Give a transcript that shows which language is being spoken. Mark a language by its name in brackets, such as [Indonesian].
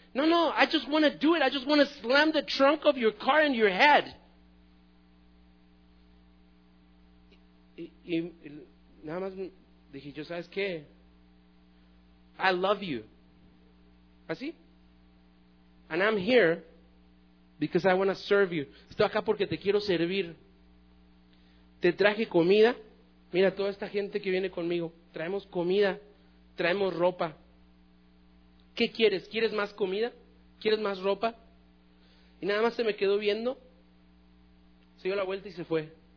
[English] No, I just want to do it. I just want to slam the trunk of your car in your head. [Spanish] Y nada más dije yo, ¿sabes qué? [English] I love you. [Spanish] ¿Así? [English] And I'm here because I want to serve you. [Spanish] Estoy acá porque te quiero servir. Te traje comida. Mira, toda esta gente que viene conmigo, traemos comida, traemos ropa. ¿Qué quieres? ¿Quieres más comida? ¿Quieres más ropa? Y nada más se me quedó viendo, se dio la vuelta y se fue.